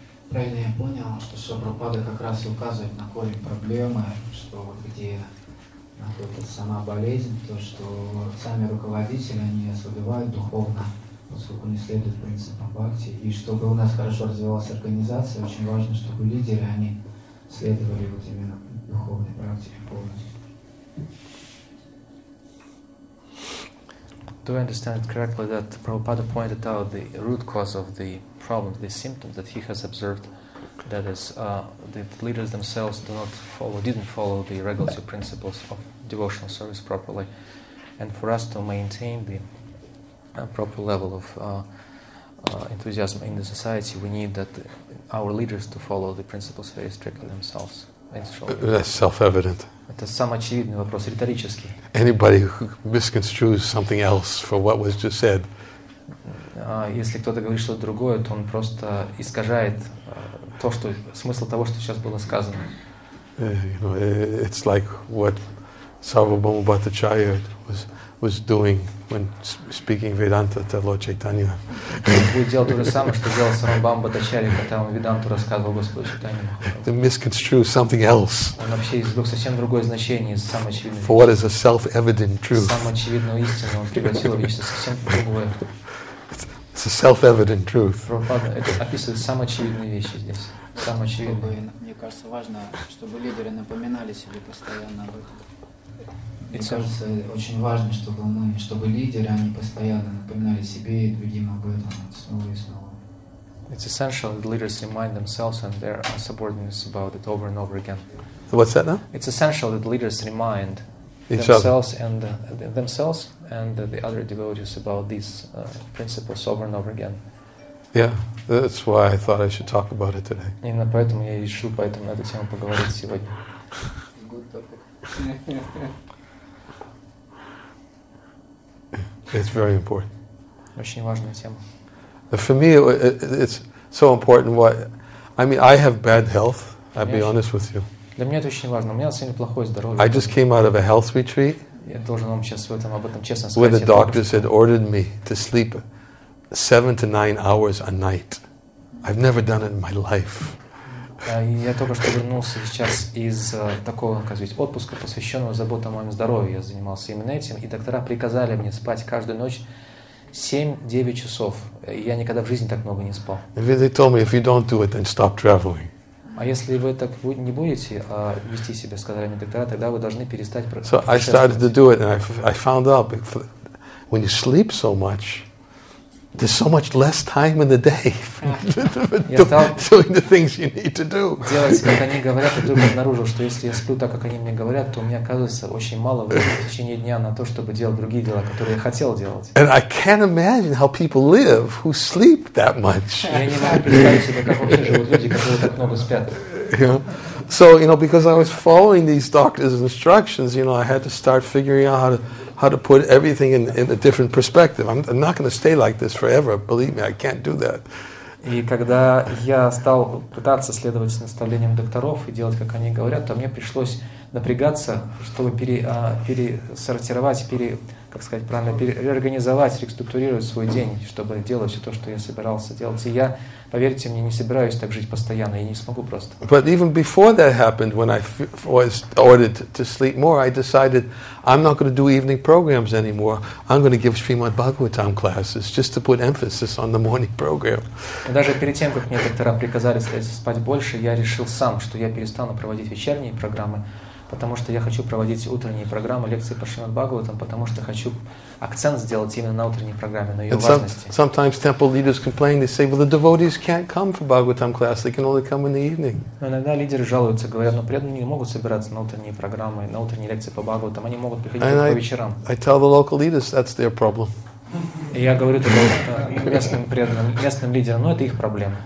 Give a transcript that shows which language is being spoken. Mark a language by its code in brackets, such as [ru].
[ru] Правильно я понял, что Шабрупада как раз и указывает на корень проблемы, что где находится сама болезнь, то что сами руководители, они ослабевают духовно, поскольку не следуют принципам бхакти. И чтобы у нас хорошо развивалась организация, очень важно, чтобы лидеры, они следовали вот именно духовной практике полностью. [en] Do I understand it correctly that Prabhupada pointed out the root cause of the problems, the symptoms that he has observed, that is, the leaders themselves didn't follow the regulative principles of devotional service properly. And for us to maintain the proper level of enthusiasm in the society, we need that our leaders to follow the principles very strictly themselves. That's self-evident. [ru] Это самоочевидный вопрос, риторический. [en] Anybody who misconstrues something else for what was just said. [ru] Если кто-то говорит что-то другое, то он просто искажает то, что смысл того, что сейчас было сказано. [en] You know, it's like what Sarvabhauma Bhattacharya was doing when speaking Vedanta to Lord Chaitanya. [ru] Будет делать то же самое, что делал Сарвабхаума Бхаттачарья, когда он Веданту рассказывал Господу Чайтанью. [en] To misconstrue something else. [ru] Он вообще извлек совсем другое значение из самой очевидной. [en] For what is a self-evident truth. [ru] Самую очевидную истину он превратил в нечто совсем другое. [en] It's a self-evident truth. [ru] Прабхупада это описывает самые очевидные вещи здесь. Самые очевидные. Мне кажется, важно, чтобы лидеры напоминали себе постоянно об этом. Мне кажется, очень важно, чтобы лидеры, они постоянно напоминали себе и другим об этом снова и снова. [en] It's essential that leaders remind themselves and their subordinates about it over and over again. What's that now? It's essential that leaders remind themselves and themselves and the other devotees about these principles over and over again. Yeah, that's why I thought I should talk about it today. [ru] Именно поэтому я решил поэтому на эту тему поговорить сегодня. [en] Good topic. It's very important. [ru] Очень важная тема. [en] For me, it's so important. Why? I mean, I have bad health. I'll be honest with you. [ru] Для меня это очень важно. У меня на самом деле плохое здоровье. [en] I just came out of a health retreat. [ru] Я должен вам сейчас об этом честно сказать. [en] Where the doctors had ordered me to sleep 7 to 9 hours a night. I've never done it in my life. [ru] Я только что вернулся сейчас из такого, как сказать, отпуска, посвященного заботам о моем здоровье. Я занимался именно этим. И доктора приказали мне спать каждую ночь 7-9 часов. Я никогда в жизни так много не спал. [en] And they told me, if you don't do it, then stop traveling. [ru] А если вы так не будете вести себя, сказали мне доктора, тогда вы должны перестать путешествовать. [en] So I started to do it, and I found out when you sleep so much, there's so much less time in the day doing the things you need to do. [ru] Делать, как они говорят, и вдруг обнаружил, что если я сплю так, как они мне говорят, то у меня оказывается очень мало времени в течение дня на то, чтобы делать другие дела, которые я хотел делать. [en] And I can't imagine how people live who sleep that much. [ru] Я не могу представить себе, как вообще живут люди, которые так много спят. [en] So, you know, because I was following these doctors' instructions, you know, I had to start figuring out how to put everything in a different perspective. I'm not going to stay like this forever. Believe me, I can't do that. [ru] И когда я стал пытаться следовать наставлениям докторов и делать, как они говорят, то мне пришлось напрягаться, чтобы реорганизовать, реструктурировать свой день, чтобы делать все то, что я собирался делать. И я, поверьте мне, не собираюсь так жить постоянно, я не смогу просто. [en] But even before that happened, when I was ordered to sleep more, I decided I'm not going to do evening programs anymore. I'm going to give Srimad Bhagavatam classes, just to put emphasis on the morning program. [ru] Даже перед тем, как мне доктора приказали спать больше, я решил сам, что я перестану проводить вечерние программы, потому что я хочу проводить утренние программы, лекции по Шримад-Бхагаватам, потому что хочу акцент сделать именно на утренней программе, на ее [en] and [ru] важности. [en] Sometimes temple leaders complain, they say, well, the devotees can't come for Bhagavatam class, they can only come in the evening. [ru] Но иногда лидеры жалуются, говорят, но преданные не могут собираться на утренние программы, на утренние лекции по Бхагаватам, они могут приходить [en] and [ru] только [en] I, [ru] по вечерам. [en] I tell the local leaders, that's their problem. [ru] И я говорю только местным преданным, местным лидерам, но это их проблема.